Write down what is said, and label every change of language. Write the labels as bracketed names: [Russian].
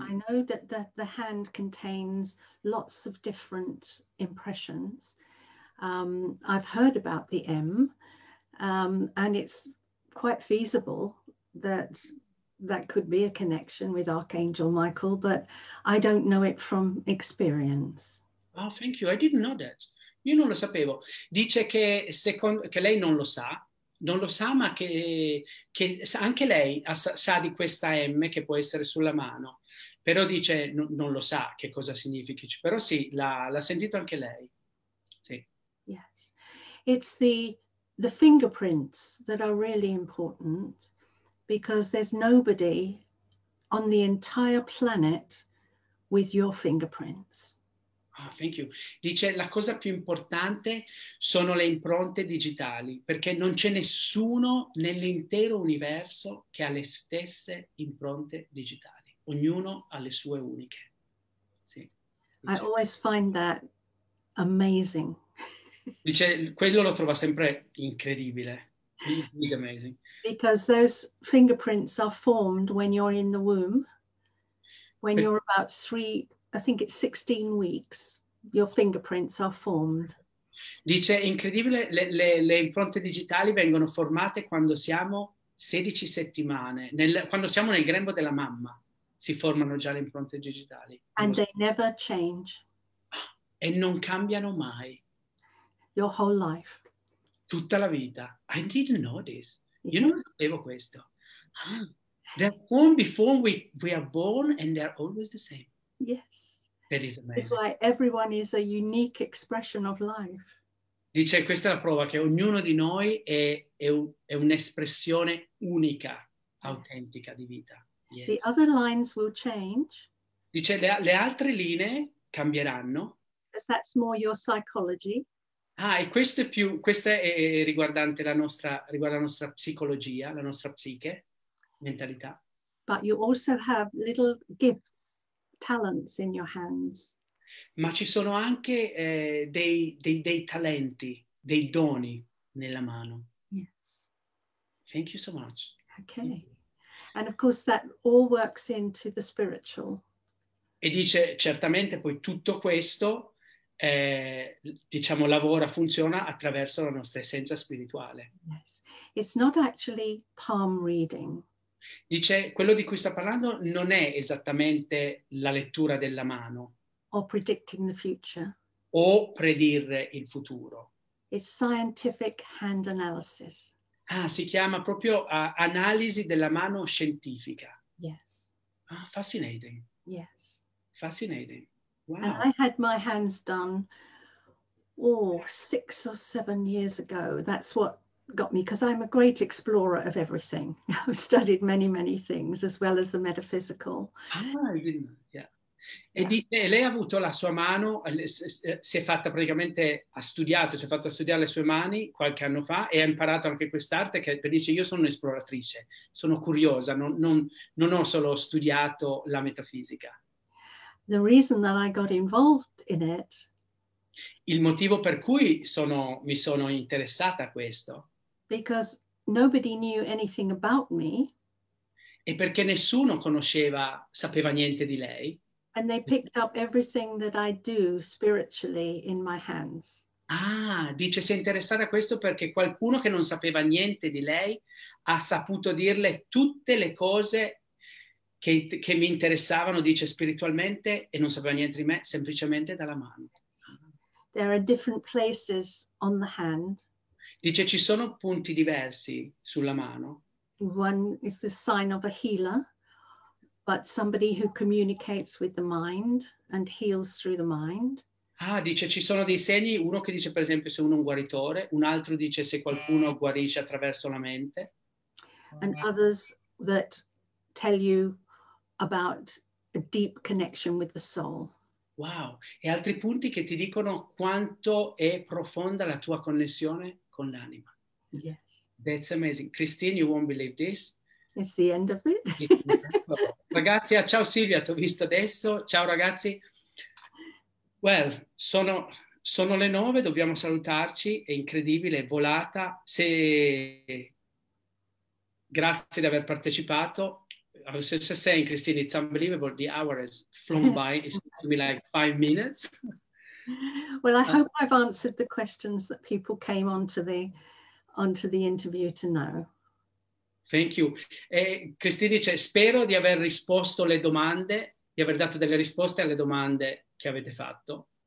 [English] I know that the hand contains lots of different impressions. I've heard about the M, and it's quite feasible that could be a connection with Archangel Michael, but I don't know it from experience. Oh, thank you. I didn't know that. [Italian] Io non lo sapevo. Dice che lei non lo sa, ma che anche lei sa di questa M che può essere sulla mano, però dice non lo sa che cosa significhi. Però sì, l'ha sentito anche lei. Sì. [English] Yes, it's the fingerprints that are really important, because there's nobody on the entire planet with your fingerprints. Ah, thank you. [Italian] Dice la cosa più importante sono le impronte digitali, perché non c'è nessuno nell'intero universo che ha le stesse impronte digitali. Ognuno ha le sue uniche. Sì. [English] I always find that amazing. [Italian] Dice, quello lo trova sempre incredibile. [English] It's amazing. Because those fingerprints are formed when you're in the womb, when you're about 16 weeks, your fingerprints are formed. [Italian] Dice, incredibile, le impronte digitali vengono formate quando siamo 16 settimane, quando siamo nel grembo della mamma, si formano già le impronte digitali. [English] And they never change. [Italian] E non cambiano mai. [English] Your whole life. [Italian] Tutta la vita. [English] I didn't know this. Yeah. [Italian] Io non sapevo questo. [English] They're formed before we are born, and they're always the same. Yes. That is amazing. It's why everyone is a unique expression of life. [Italian] Dice, questa è la prova che ognuno di noi è un'espressione unica, autentica di vita. [English] Yes. The other lines will change. [Italian] Dice, le altre linee cambieranno. [English] Because that's more your psychology. [Italian] Ah, e questo è riguardante la nostra psicologia, la nostra psiche, mentalità. [English] But you also have little gifts, talents in your hands. [Italian] Ma ci sono anche dei talenti, dei doni nella mano. [English] Yes. Thank you so much. Okay. And of course that all works into the spiritual. [Italian] E dice, certamente poi tutto questo diciamo lavora, funziona attraverso la nostra essenza spirituale. [English] Yes. It's not actually palm reading. [Italian] Dice, quello di cui sta parlando non è esattamente la lettura della mano. [English] Or predicting the future. [Italian] O predire il futuro. [English] It's scientific hand analysis. [Italian] Ah, si chiama proprio analisi della mano scientifica. [English] Yes. Ah, fascinating. Yes. Fascinating. Wow. And I had my hands done 6 or 7 years ago. That's what got me, because I'm a great explorer of everything. I've studied many, many things, as well as the metaphysical. Ah, yeah. Yeah. [Italian] E dice, lei ha avuto la sua mano, si è fatta praticamente, ha studiato, si è fatta studiare le sue mani qualche anno fa e ha imparato anche quest'arte che dice, io sono un'esploratrice, sono curiosa, non ho solo studiato la metafisica. [English] The reason that I got involved in it. [Italian] Il motivo per cui mi sono interessata a questo. [English] Because nobody knew anything about me. [Italian] E perché nessuno sapeva niente di lei. [English] And they picked up everything that I do spiritually in my hands. [Italian] Ah, dice si è interessata a questo perché qualcuno che non sapeva niente di lei ha saputo dirle tutte le cose che mi interessavano, dice, spiritualmente, e non sapeva niente di me, semplicemente dalla mano. [English] There are different places on the hand. [Italian] Dice, ci sono punti diversi sulla mano. [English] One is the sign of a healer, but somebody who communicates with the mind and heals through the mind. [Italian] Ah, dice ci sono dei segni, uno che dice per esempio se uno è un guaritore, un altro dice se qualcuno guarisce attraverso la mente. [English] And others that tell you about a deep connection with the soul. [Italian] Wow, e altri punti che ti dicono quanto è profonda la tua connessione con l'anima. [English] Yes. That's amazing. Christine, you won't believe this. It's the end of it. [Italian] Ragazzi, ciao Silvia, ti ho visto adesso. Ciao ragazzi. Well, sono le nove, dobbiamo salutarci. È incredibile, è volata. Se... Grazie di aver partecipato. [English] I was just saying, Christine, it's unbelievable. The hour has flown by. It's maybe like 5 minutes. Well, I hope I've answered the questions that people came onto the interview to know. Thank you. [Italian] Christine dice, spero di aver risposto le domande, di aver dato delle risposte alle domande che avete fatto.